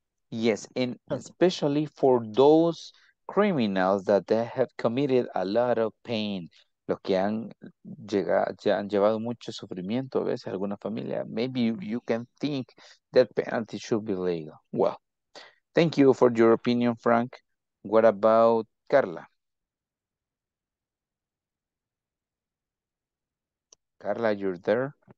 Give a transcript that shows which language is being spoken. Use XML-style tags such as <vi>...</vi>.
<en>Yes, and especially for those criminals that they have committed a lot of pain.</en> <es>Los que han llegado, ya han llevado mucho sufrimiento a veces a alguna familia.</es> <en>Maybe you can think that penalty should be legal. Well, thank you for your opinion, Frank. What about Carla? Carla, you're there.</en>